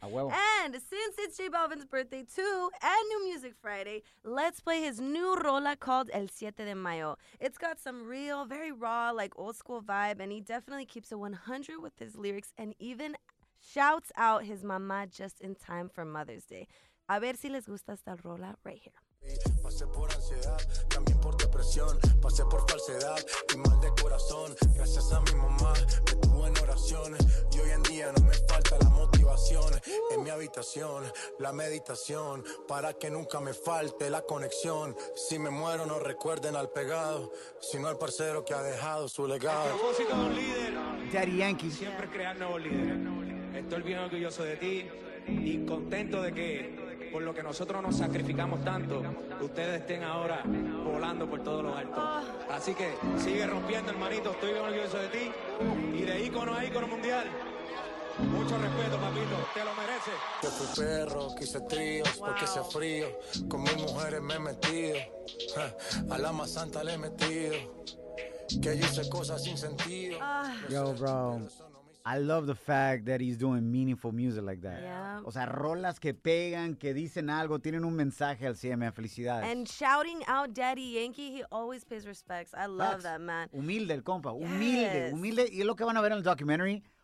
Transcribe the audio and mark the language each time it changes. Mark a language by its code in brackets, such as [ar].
[en] And since it's J Balvin's birthday too and New Music Friday, let's play his new rola called El Siete de Mayo. It's got some real, very raw, like old school vibe, and he definitely keeps it 100 with his lyrics and even shouts out his mama just in time for Mother's Day. [es] A ver si les gusta esta rola [en] right here. [es] Pasé por ansiedad, también por depresión. Pasé por falsedad y mal de corazón. Gracias a mi mamá, me tuvo en oraciones. Y hoy en día no me falta la motivación. En mi habitación, la meditación. Para que nunca me falte la conexión. Si me muero, no recuerden al pegado. Sino al parcero que ha dejado su legado. Propósito de un líder. Daddy Yankee. Siempre crear nuevos líderes. Estoy bien orgulloso de ti y contento de que por lo que nosotros nos sacrificamos tanto, ustedes estén ahora volando por todos los altos. Así que sigue rompiendo, hermanito. Estoy bien orgulloso de ti y de ícono a ícono mundial. Mucho respeto, papito. Te lo mereces. Yo fui perro, quise tríos porque hacía frío. Con mis mujeres me he metido. A la más santa le he metido. Que yo hice cosas sin sentido. [en] Yo, bro. I love the fact that he's doing meaningful music like that. Yeah. [es] O sea, rolas que pegan, que dicen algo, tienen un mensaje al CMA, felicidades. [en] And shouting out Daddy Yankee, he always pays respects. I love facts. That, man. [es] Humilde, el compa. Humilde, humilde. Y es lo que van a ver en el documentary.